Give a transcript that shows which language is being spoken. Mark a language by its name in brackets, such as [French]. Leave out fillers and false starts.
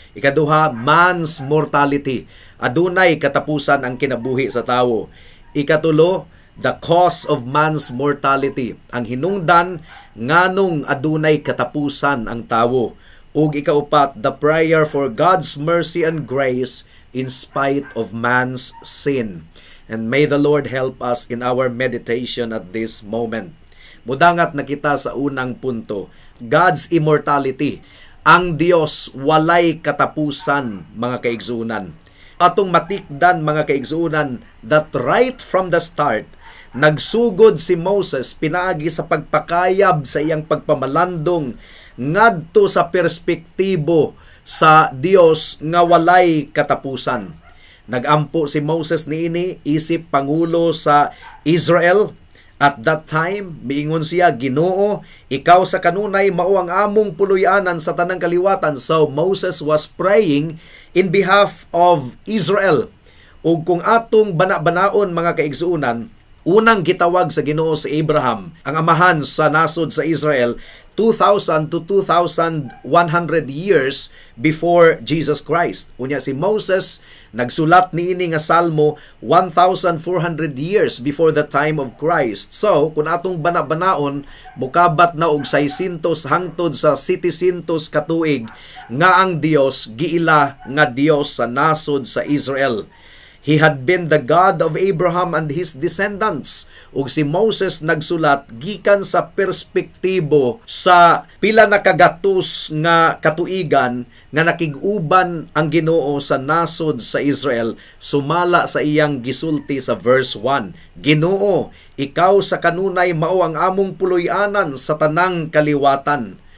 [Cebuano] Ikaduha, [English] man's mortality. [Cebuano] Adunay katapusan ang kinabuhi sa tao. Ikatulo, [English] the cause of man's mortality. [Cebuano] Ang hinungdan nganong adunay katapusan ang tao. Ug ikaupat, [English] the prayer for God's mercy and grace in spite of man's sin. And may the Lord help us in our meditation at this moment. [Cebuano] Mudangat na kita sa unang punto, [English] God's immortality. [Cebuano] Ang Dios walay katapusan, mga kaigsoonan. Atong matikdan, mga kaigsoonan, [English] that right from the start, [Cebuano] nagsugod si Moses pinaagi sa pagpakayab sa iyang pagpamalandong ngadto sa perspektibo sa Dios nga walay katapusan. Nagampo si Moses niini isip pangulo sa Israel. [English] At that time, [Cebuano] miingon siya, Ginoo, ikaw sa kanunay mao ang among puloyanan sa tanang kaliwatan. [English] So Moses was praying in behalf of Israel. [Cebuano] O kung atong banabanaon, mga kaigsoonan, unang gitawag sa Ginoo si Abraham, ang amahan sa nasod sa Israel, [English] 2,000 to 2,100 years before Jesus Christ. [Cebuano] Unya si Moses, nagsulat niini nga Salmo [English] 1,400 years before the time of Christ. [Cebuano] So, kung atong banabanaon, mukabat na og 600 hangtod sa 700 katuig nga ang Dios giila nga Dios sa nasod sa Israel. [English] He had been the God of Abraham and his descendants. [Cebuano] Ug si Moses nagsulat gikan sa perspektibo sa pila na kagatus nga katuigan nga nakiguban ang Ginoo sa nasod sa Israel sumala sa iyang gisulti sa verse 1. Ginoo, ikaw sa kanunay mao ang among puloy-anan sa tanang kaliwatan.